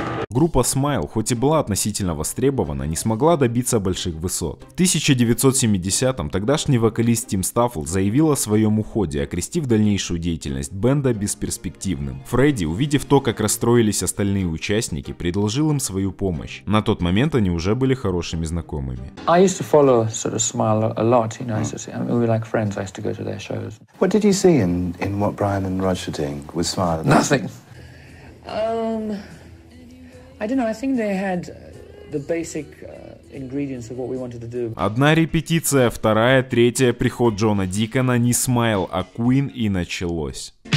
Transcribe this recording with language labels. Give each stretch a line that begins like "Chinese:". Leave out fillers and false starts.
Russian: Группа Smile, хоть и была относительно востребована, не смогла добиться больших высот. В 1970-м тогдашний вокалист Тим Стаффл заявил о своем уходе, окрестив дальнейшую деятельность бэнда бесперспективным. Фредди, увидев то, как расстроились остальные участники, предложил им свою помощь. На тот момент они уже были хорошими знакомыми.
English: I used to follow sort of Smile a lot, you know, I mean, we were like friends, I used to go to their shows. What did you see in what Brian and Roger doing with Smile? Nothing. I don't know, I think they had the basic ingredients of what we wanted to do.
Russian: Одна репетиция, вторая, третья, приход Джона Дикона, не Smile, а Queen, и началось.